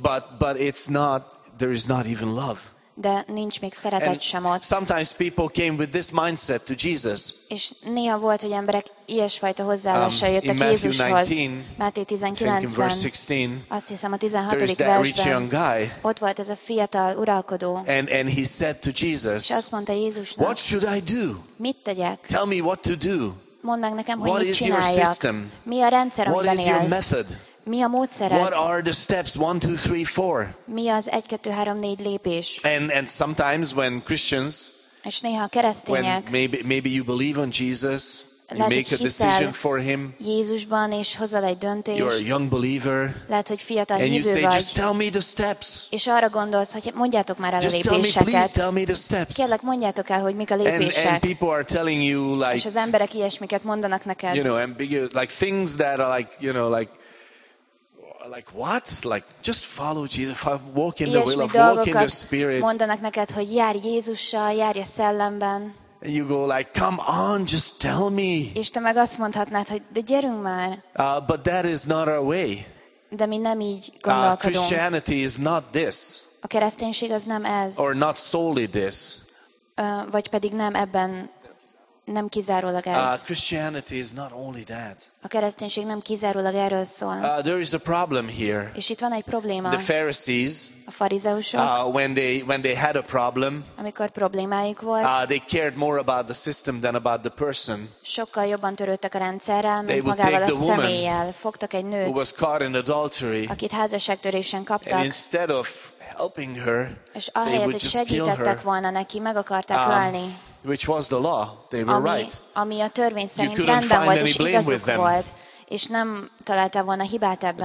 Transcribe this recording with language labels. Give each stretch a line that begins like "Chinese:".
English: But it's not, there is not even love.
Hungarian: De nincs még szeretet
English: and
Hungarian: sem ott.
English: Sometimes people came with this mindset to Jesus.
Hungarian: És néha volt, hogy emberek ilyesfajta hozzáállással jöttek
English: in Matthew Jézushoz. 19,
Hungarian: Máté 19-ben, in verse 16, azt hiszem a 16. versben, ott volt ez a fiatal uralkodó.
English: And he said to Jesus,
Hungarian: és azt mondta Jézusnak,
English: what should I do?
Hungarian: Mit tegyek?
English: Tell me what to do.
Hungarian: Mondd meg nekem,
English: what
Hungarian: hogy mit csináljak. Mi a rendszer,
English: what
Hungarian: amiben
English: is your method?
Hungarian: Mi a módszered?
English: What are the steps 1, 2, 3, 4?
Hungarian: Mi az 1, 2, 3, 4 lépés?
English: And sometimes when Christians,
Hungarian: és néha a keresztények,
English: when maybe you believe on Jesus, You make a decision for him.
Hungarian: Jézusban és hozzal egy döntést.
English: You're a young believer.
Hungarian: Lehet, hogy fiatal hívő vagy.
English: And you say, just tell me the steps.
Hungarian: És arra gondolsz, hogy mondjátok már el a lépéseket.
English: Just tell me, please tell me the steps.
Hungarian: Kérlek, mondjátok el, hogy mik a lépések.
English: And people are telling you like.
Hungarian: És az emberek ilyesmiket mondanak neked.
English: You know, ambiguous, like things that are like, you know, like. Like what? Like just follow Jesus. Walk in the will of, walk in the spirit.
Hungarian: Mondanak neked, hogy járj Jézussal, járj a szellemben.
English: And you go like, come on, just tell me.
Hungarian: És te meg azt mondhatnád, hogy de gyerünk már.
English: But that is not our way.
Hungarian: De mi nem így gondolkodunk.
English: Christianity is not this.
Hungarian: A kereszténység az nem ez.
English: Or not solely this.
Hungarian: Vagy pedig nem ebben. Nem kizárólag ez.
English: Christianity is not only that.
Hungarian: A kereszténység nem kizárólag erről szól.
English: There is a problem here.
Hungarian: És itt van egy probléma.
English: The Pharisees.
Hungarian: A farizeusok.
English: When they had a problem.
Hungarian: Amikor problémáik volt.
English: They cared more about the system than about the person.
Hungarian: Sokkal jobban törődtek a rendszerrel, mint magával a személlyel. Fogtak egy nőt.
English: Who was caught in adultery.
Hungarian: Akit házasságtörésen kaptak.
English: And instead of helping her,
Hungarian: és ahelyett, hogy segítettek volna neki, meg akarták ölni.
English: Which was the law, they were right.
Hungarian: Ami a törvény szerint rendben volt, és igazuk volt, és nem találtál volna hibát ebben.